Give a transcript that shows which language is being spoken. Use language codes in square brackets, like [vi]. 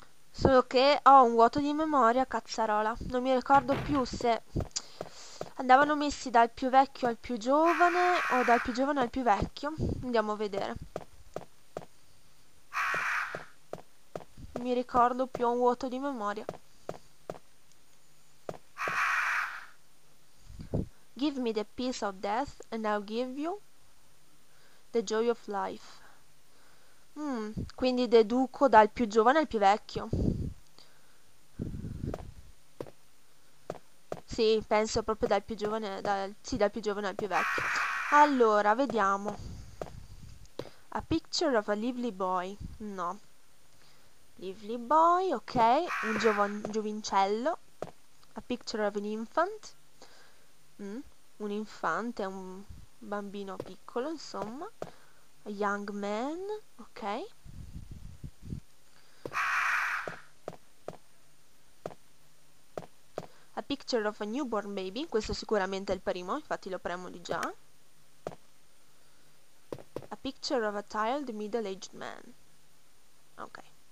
[it] Solo che ho un vuoto di memoria, cazzarola. Non mi ricordo più se andavano messi dal più vecchio al più giovane o dal più giovane al più vecchio. Andiamo a vedere. Non mi ricordo più, ho un vuoto di memoria. [en] Give me the peace of death and I'll give you the joy of life. [it] Quindi deduco dal più giovane al più vecchio. Sì, penso proprio dal più giovane dal più giovane al più vecchio. Allora, vediamo. [en] A picture of a lively boy. No. Lively boy, ok. [it] Un giovincello. [en] A picture of an infant. [it] Un infante, un bambino piccolo, insomma. [en] A young man, ok. A picture of a newborn baby, [it] questo sicuramente è il primo, infatti lo premo di già. [en] A picture of a tired middle-aged man, ok.